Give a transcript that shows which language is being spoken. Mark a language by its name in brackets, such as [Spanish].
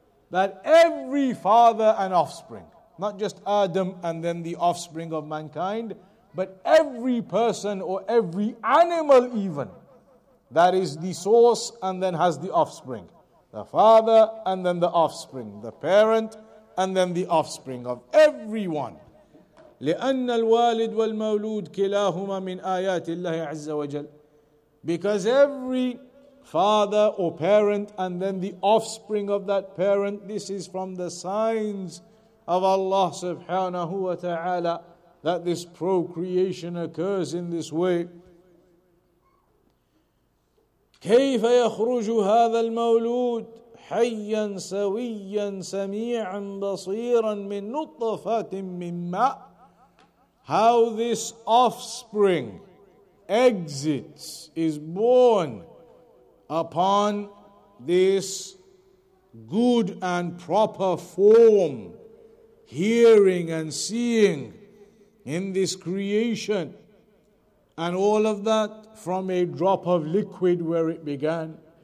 [English] That every father and offspring, not just Adam and then the offspring of mankind, but every person or every animal even, that is the source and then has the offspring, the father and then the offspring, the parent and then the offspring of everyone. [Arabic] لأن الوالد والمولود كلاهما من آيات الله عز وجل. [English] Because every father or parent and then the offspring of that parent, this is from the signs of Allah subhanahu wa ta'ala, that this procreation occurs in this way. [Arabic] كيف يخرج هذا المولود حيا سويا سميعا بصيرا من نطفة من ماء. [English] How this offspring exits, is born upon this good and proper form, hearing and seeing in this creation, and all of that from a drop of liquid where it began.